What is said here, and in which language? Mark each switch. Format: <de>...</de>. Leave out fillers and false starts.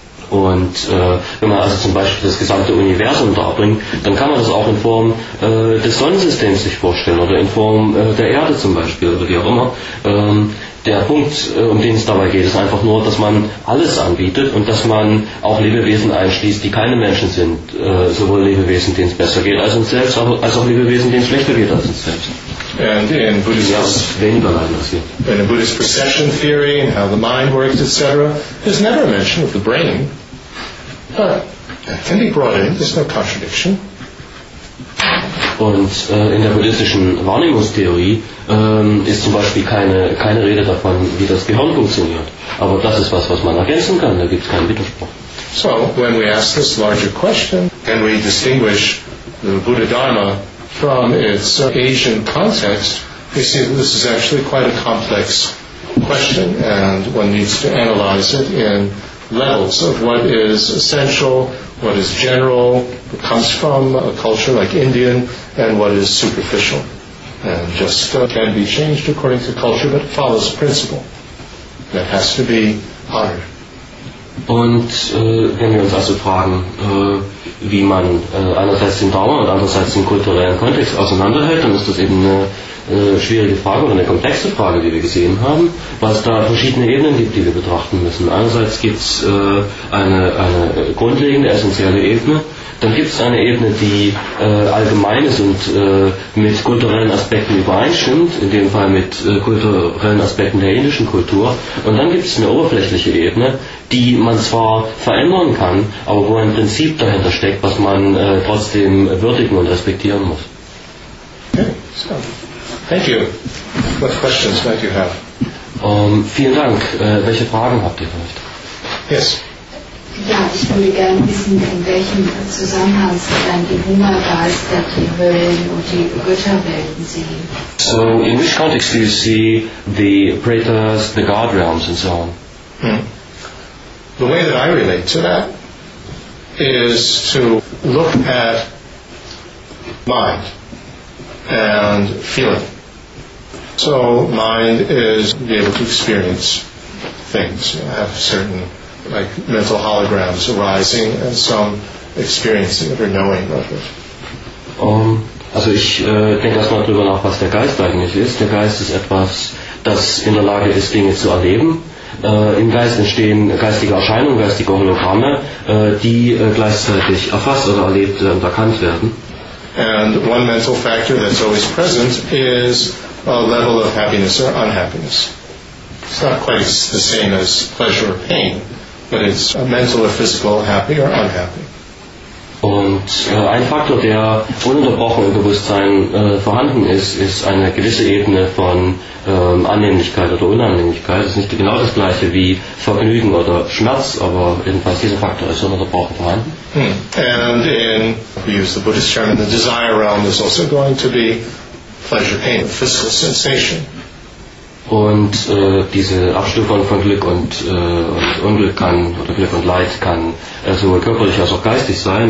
<de>Und wenn man also zum Beispiel das gesamte Universum darbringt, dann kann man das auch in Form des Sonnensystems sich vorstellen oder in Form der Erde zum Beispiel oder wie auch immer. Der Punkt, um den es dabei geht, ist einfach nur, dass man alles anbietet und dass man auch Lebewesen einschließt, die keine Menschen sind. Sowohl Lebewesen, denen es besser geht als uns selbst, als auch Lebewesen, denen es schlechter geht als uns selbst.</de> <en>And in Buddhist,</en> <de>weniger leiden als wir.</de> <en>In a Buddhist procession theory and how the mind works, etc., there's never a mention of the brain. But it can be brought in, there's no contradiction.</en> <de>Und in der buddhistischen Wahrnehmungstheorie ist zum Beispiel keine Rede davon, wie das Gehirn funktioniert. Aber das ist was man ergänzen kann, da gibt es keinen Widerspruch.</de> <en>So, when we ask this larger question, can we distinguish the Buddha Dharma from its Asian context, we see that this is actually quite a complex question, and one needs to analyze it in levels of what is essential, what is general, what comes from a culture like Indian, and what is superficial. And just can be changed according to culture, but it follows a principle that has to be honored.</en> <de>Und wenn wir uns also fragen, wie man einerseits den Dharma und andererseits den kulturellen Kontext auseinanderhält, dann ist das eben eine schwierige Frage oder eine komplexe Frage, die wir gesehen haben, weil es da verschiedene Ebenen gibt, die wir betrachten müssen. Einerseits gibt es eine grundlegende, essentielle Ebene. Dann gibt es eine Ebene, die allgemein ist und mit kulturellen Aspekten übereinstimmt, in dem Fall mit kulturellen Aspekten der indischen Kultur. Und dann gibt es eine oberflächliche Ebene, die man zwar verändern kann, aber wo ein Prinzip dahinter steckt, was man trotzdem würdigen und respektieren muss.</de> <en>Okay, so. Thank you. What questions might you have?</en> <de>Vielen Dank. Welche Fragen habt ihr vielleicht?</de> <en>Yes.</en> <de>Ja, ich würde gerne wissen, in welchem Zusammenhang Sie dann die Hungergeister, die Höllen und die Götterwelten sehen.</de> <en>So, in which context do you see the Pretas, the God realms and so on? The way that I relate to that is to look at mind and feeling. So, mind is being able to experience things, have certain, like mental holograms arising and some experiencing or knowing of it.</en> <de>Also ich denke erstmal drüber nach, was der Geist eigentlich ist. Der Geist ist etwas, das in der Lage ist, Dinge zu erleben. Im Geist entstehen geistige Erscheinungen, geistige Hologramme, die gleichzeitig erfasst oder erlebt und erkannt werden.</de> <en>And one mental factor that's always present is a level of happiness or unhappiness. It's not quite the same as pleasure or pain, but it's a mental or physical happy or unhappy.</en> <de>Und ein Faktor, der ununterbrochen im Bewusstsein vorhanden ist, ist eine gewisse Ebene von Annehmlichkeit oder Unannehmlichkeit. Es ist nicht genau das gleiche wie Vergnügen oder Schmerz, aber jedenfalls dieser Faktor ist ununterbrochen vorhanden.</de> <en>And in, we use the Buddhist term, the desire realm is also going to be pleasure, pain, physical sensation.</en> <de>Und diese Abstufung von Glück und Unglück kann, oder Glück und Leid, kann sowohl körperlich als auch geistig sein.</de>